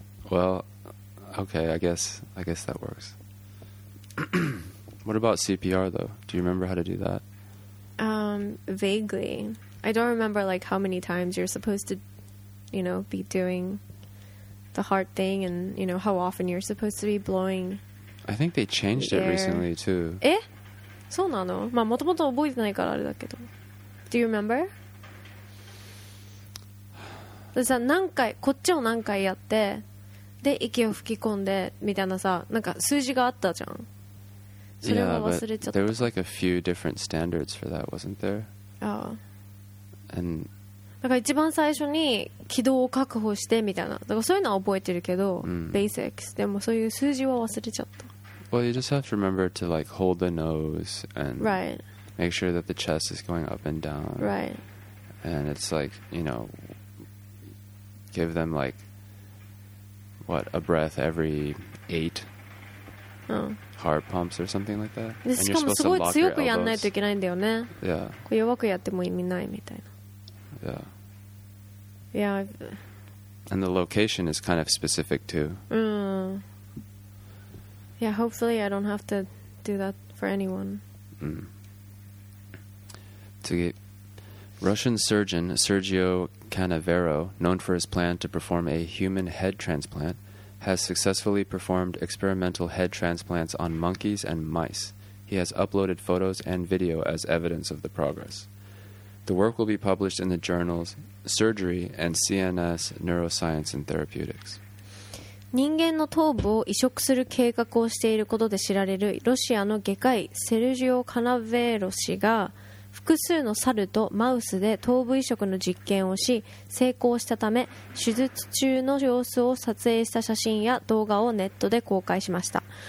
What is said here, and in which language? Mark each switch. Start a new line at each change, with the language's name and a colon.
English: Well, okay, I guess that works. What about CPR though? Do you remember how to do that? Vaguely. I don't remember like how many times you're supposed to, you know, be doingthe heart thing and you know how often you're supposed to be blowing. I think they changed the it recently too.
Japanese: Eh? そうなの? まあ、もともと覚えてないからあれだけど。
English: Do you remember?
Japanese: でさ、何回、こっちを何回やって、で、息を吹き込んでみたいなさ、なんか数字があったじゃん。それは忘れちゃった。
English: Yeah, but there was like a few different standards for that, wasn't there? Oh. And...
Japanese: だから一番最初に軌道を確保してみたいな、だからそういうのは覚えてるけど、basics、でもそういう数字は忘れちゃった。
English: Well, you just have to remember to like hold the nose and right make sure that the chest is going up and down right, and it's like you know give them like what a breath every 8、heart pumps or something like that.
Japanese: でしかもすごい強くやんないといけないんだよね。
English: Yeah.
Japanese: こう弱くやっても意味ないみたいな。
English: Yeah. Yeah. And the location is kind of specific too. Yeah, hopefully I don't have to do that for anyone. Russian surgeon Sergio Canavero, known for his plan to perform a human head transplant, has successfully performed experimental head transplants on monkeys and mice. He has uploaded photos and video as evidence of the progress. The work will be published in the journals Surgery and CNS Neuroscience and Therapeutics.
Japanese: 人間の頭部を移植する計画をしていることで知られるロシアの外科医セルジオ・カナベーロ氏が複数の猿とマウスで頭部移植の実験をし成功したため、手術中の様子を撮影した写真や動画をネットで公開しました。